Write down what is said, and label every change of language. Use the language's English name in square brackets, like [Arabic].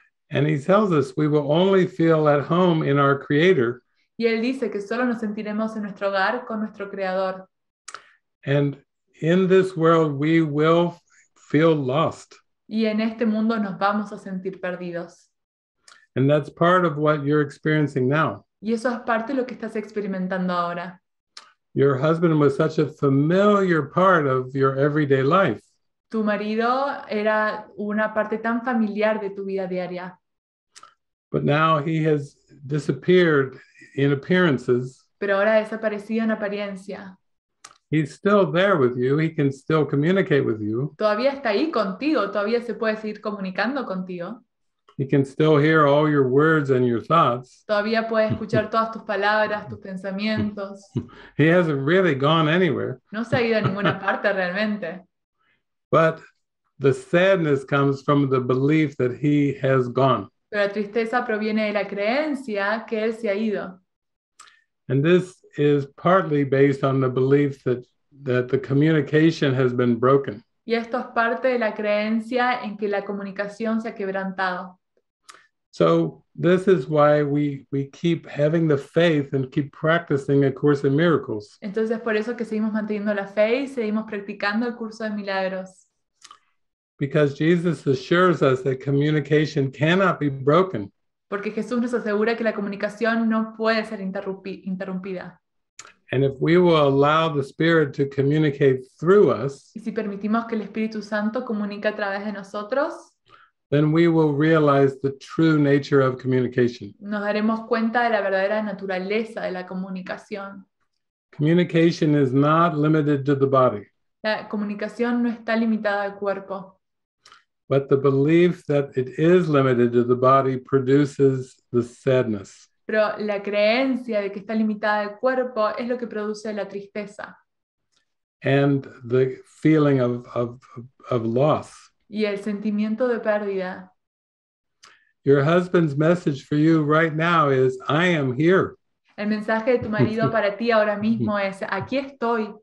[English] And he tells us we will only feel at home in our creator. [Spanish] Y él dice que solo nos sentiremos en nuestro hogar con nuestro creador. [English] And in this world we will feel lost. [Spanish] Y en este mundo nos vamos a sentir perdidos. [English] And that's part of what you're experiencing now. [Spanish] Y eso es parte de lo que estás experimentando ahora. [English] Your husband was such a familiar part of your everyday life. [Spanish] Tu marido era una parte tan familiar de tu vida diaria. [English] But now he has disappeared in appearances. [Spanish] Pero ahora ha desaparecido en apariencia. [English] He's still there with you. He can still communicate with you. [Spanish] Todavía está ahí contigo. Todavía se puede seguir comunicando contigo. [English] He can still hear all your words and your thoughts. [Spanish] Todavía puede escuchar todas tus palabras, tus pensamientos. [English] He hasn't really gone anywhere. [Spanish] No se ha ido a ninguna parte realmente. [English] But the sadness comes from the belief that he has gone. [Spanish] Pero la tristeza proviene de la creencia que él se ha ido. [English] And this is partly based on the belief that, the communication has been broken. [Spanish] Y esto es parte de la creencia en que la comunicación se ha quebrantado. [English] So this is why we keep having the faith and keep practicing A Course in Miracles. [Spanish] Entonces por eso que seguimos manteniendo la fe y seguimos practicando el curso de milagros. [English] Because Jesus assures us that communication cannot be broken. [Spanish] Porque Jesús nos asegura que la comunicación no puede ser interrumpida. [English] And if we will allow the Spirit to communicate through us, [Spanish] y si permitimos que el Espíritu Santo comunique a través de nosotros, [English] then we will realize the true nature of communication. [Spanish] Nos daremos cuenta de la verdadera naturaleza de la comunicación. [English] Communication is not limited to the body. [Spanish] La comunicación no está limitada al cuerpo. [English] But the belief that it is limited to the body produces the sadness. [Spanish] Pero la creencia de que está limitada al cuerpo es lo que produce la tristeza. [English] And the feeling of loss. [Spanish] Y el sentimiento de pérdida. [English] Your husband's message for you right now is, I am here. [Spanish] El mensaje de tu marido para ti ahora mismo es, aquí estoy.